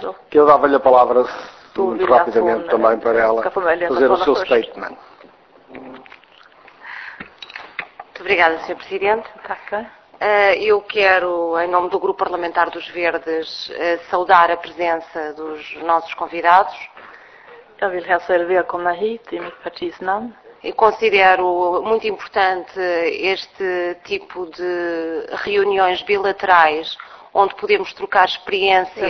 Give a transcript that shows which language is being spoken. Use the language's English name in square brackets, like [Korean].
[Portuguese] Que eu dava-lhe a palavra muito rapidamente também para ela fazer o seu statement. Muito obrigada, Sr. Presidente. Eu quero, em nome do Grupo Parlamentar dos Verdes, saudar a presença dos nossos convidados. [Swedish] Jag vill hälsa er välkomna hit i mitt partis namn. [Portuguese] E considero muito importante este tipo de reuniões bilaterais, onde podemos trocar experiências.